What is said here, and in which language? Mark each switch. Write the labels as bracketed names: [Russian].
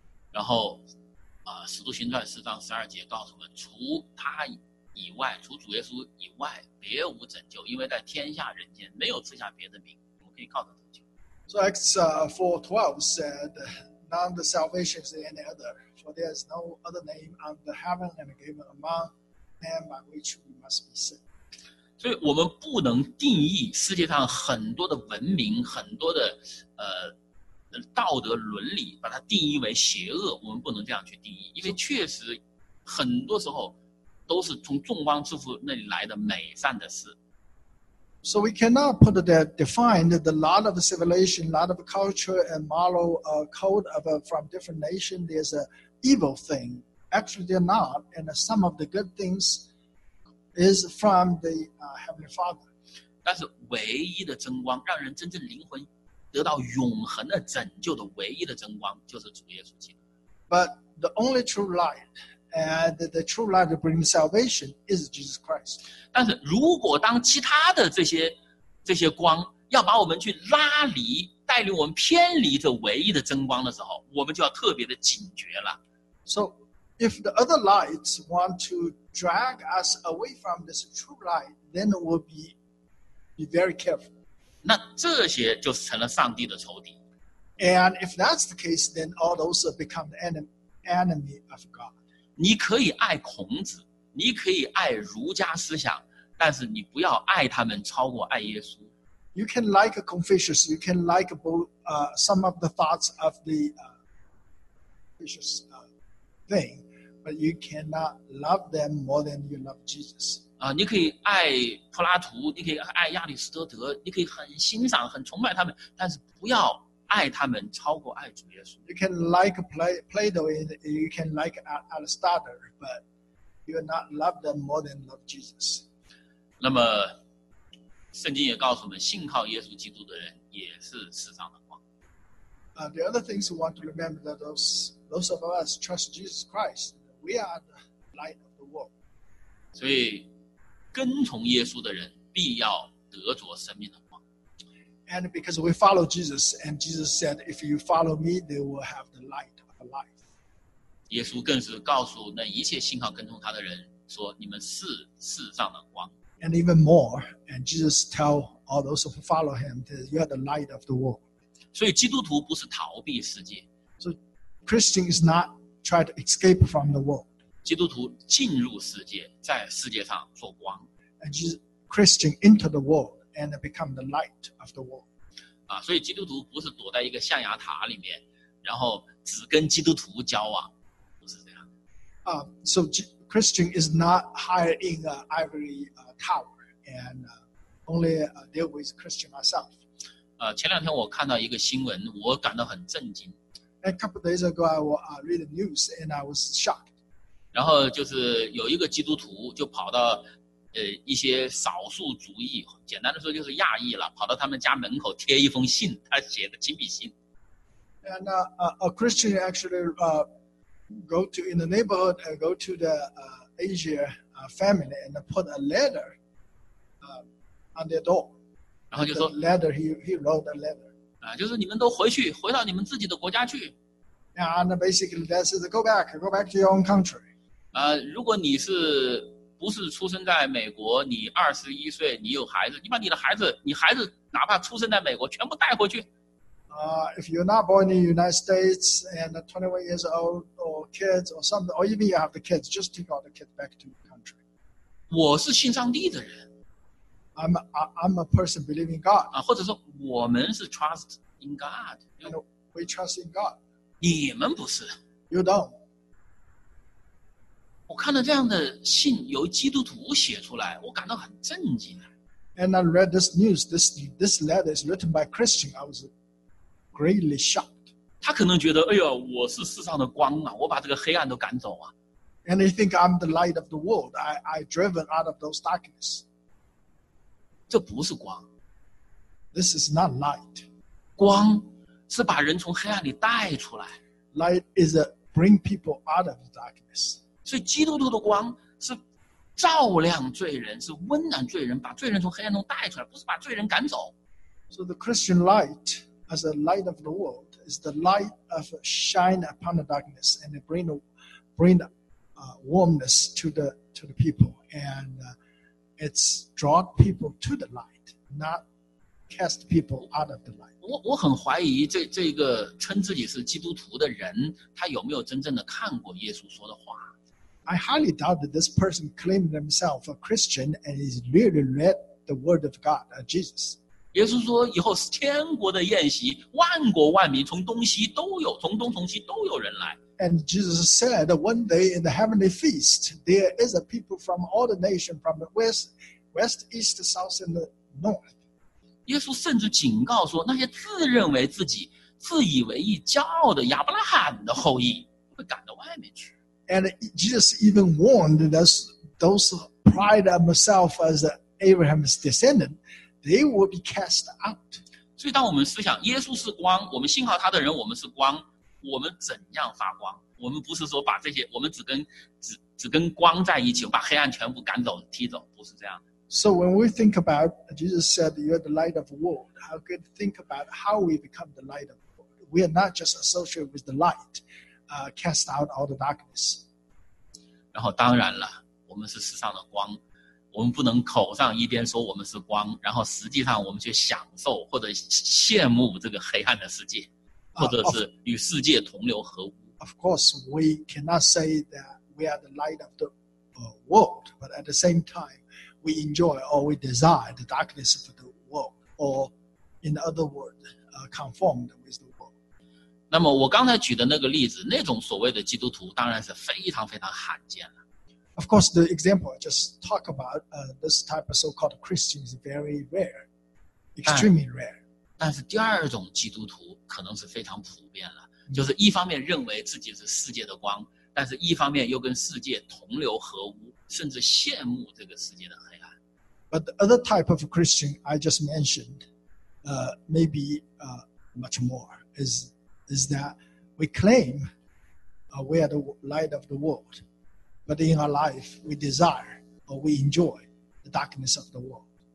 [Chinese] 然后，使徒行传四章十二节告诉我们，除他以外，除主耶稣以外，别无拯救，因为在天下人间没有赐下别的名，我们可以靠他得救。 [English] So Acts 4:12 said, "None the salvation is any other, for there is no other name under heaven given among men by which we must be saved." [Chinese] 所以我们不能定义世界上很多的文明，很多的道德伦理，把它定义为邪恶，我们不能这样去定义，因为确实很多时候都是从众光之父那里来的美善的事。 [English] So we cannot put that defined the lot of civilization, lot of culture and moral code of from different nation. There's a evil thing. Actually, they're not. And some of the good things is from the Heavenly Father. [Chinese] 但是唯一的真光，让人真正灵魂得到永恒的拯救的唯一的真光，就是主耶稣基督。 [English] But the only true light. And the true light to bring salvation is Jesus Christ. [Chinese] 但是如果当其他的这些光要把我们去拉离，带领我们偏离这唯一的真光的时候，我们就要特别的警觉了。 [English] So if the other lights want to drag us away from this true light, then we'll be very careful. [Chinese] 那这些就成了上帝的仇敌。 [English] And if that's the case, then all those become the enemy of God. [Chinese] 你可以爱孔子，你可以爱儒家思想，但是你不要爱他们超过爱耶稣。 [English] You can like Confucius, you can like some of the thoughts of the Confucius thing, but you cannot love them more than you love Jesus. [Chinese] 你可以爱柏拉图，你可以爱亚里士多德，你可以很欣赏、很崇拜他们，但是不要。爱他们超过爱主耶稣。 [English] You can like Plato, you can like Aristotle, but you will not love them more than love Jesus. [Chinese] 那么，圣经也告诉我们，信靠耶稣基督的人也是世上的光。 [English] The other things we want to remember that those of us trust Jesus Christ, we are the light of the world. [Chinese] 所以，跟从耶稣的人必要得着生命的光。 [English] And because we follow Jesus, and Jesus said, "If you follow me, they will have the light of life." [Chinese] 耶稣更是告诉那一切信靠跟从他的人说：“你们是世上的光。” [English] And even more, and Jesus tell all those who follow him that you are the light of the world. [Chinese] 所以基督徒不是逃避世界。 [English] So Christian is not try to escape from the world. [Chinese] 基督徒进入世界，在世界上做光。 [English] And Jesus, Christian enter the world. And become the light of the world. [Chinese] 所以基督徒不是躲在一个象牙塔里面，然后只跟基督徒交往，不是这样。 [English] So Christian is not hired in an ivory tower and only deal with Christian myself. [Chinese] 前两天我看到一个新闻，我感到很震惊。 [English] A couple days ago, I read the news and I was shocked. [Chinese] 然后就是有一个基督徒就跑到。一些少数族裔，简单的说就是亚裔了，跑到他们家门口贴一封信，他写的亲笔信。 [English] And a Christian actually go to in the neighborhood and go to the Asia family and put a letter on their door. [Chinese] 然后就说 [English] letter he wrote a letter. [Chinese] 就是你们都回去，回到你们自己的国家去。 [English] And basically that says go back to your own country. [Chinese] 如果你是不是出生在美国，你21岁，你有孩子，你把你的孩子哪怕出生在美国全部带回去。 [English] If you're not born in the United States and 21 years old or kids or something, or even you have the kids, just take all the kids back to your country. [Chinese] 我是信上帝的人。 [English] I'm a person believing God. [Chinese] 或者说我们是 [English] trust in God. You know, we trust in God. [Chinese] 你们不是。 [English] You don't. [Chinese] 我看到这样的信由基督徒写出来，我感到很震惊。 [English] And I read this news. This letter is written by Christian. I was greatly shocked. [Chinese] 他可能觉得，哎呦，我是世上的光啊，我把这个黑暗都赶走啊。 [English] And they think I'm the light of the world. I driven out of those darkness. [Chinese] 这不是光。 [English] This is not light. [Chinese] 光是把人从黑暗里带出来。 [English] Light is a bring people out of the darkness. [Chinese] 所以基督徒的光是照亮罪人，是温暖罪人，把罪人从黑暗中带出来，不是把罪人赶走。 [English] So the Christian light as a light of the world is the light of shine upon the darkness and bring warmness to the people and it's draw people to the light, not cast people out of the light. [Chinese] 我很怀疑这个称自己是基督徒的人，他有没有真正的看过耶稣说的话。 [English] I highly doubt that this person claimed himself a Christian and is really read the word of God, Jesus. [Chinese] 耶稣说以后是天国的宴席，万国万民从东西都有，从东从西都有人来。 [English] And Jesus said, one day in the heavenly feast, there is a people from all the nations, from the west, east, south, and the north. [Chinese] 耶稣甚至警告说，那些自认为自己、自以为意、骄傲的亚伯拉罕的后裔会赶到外面去。 [English] And Jesus even warned those pride of himself as Abraham's descendant, they will be cast out. [Chinese] 所以当我们思想耶稣是光，我们信靠他的人，我们是光。我们怎样发光？我们不是说把这些，我们只跟光在一起，把黑暗全部赶走、踢走，不是这样。 [English] So when we think about Jesus said you are the light of the world, how could think about how we become the light of the world? We are not just associated with the light, cast out all the darkness. [Chinese] 然后当然了，我们是世上的光，我们不能口上一边说我们是光，然后实际上我们却享受或者羡慕这个黑暗的世界。或者是与世界同流合污。 [English] Of course, we cannot say that we are the light of the world, but at the same time, we enjoy or we desire the darkness of the world, or in other words, conformed with the world. [Chinese] 那么我刚才举的那个例子，那种所谓的基督徒当然是非常非常罕见了。 [English] Of course, the example I just talked about, this type of so-called Christian is very rare, extremely rare. [Chinese] 但是第二种基督徒可能是非常普遍了，就是一方面认为自己是世界的光，但是一方面又跟世界同流合污，甚至羡慕这个世界的黑暗。 [English] But the other type of Christian I just mentioned, maybe much more, is that we claim we are the light of the world, but in our life we desire or we enjoy the darkness of the world.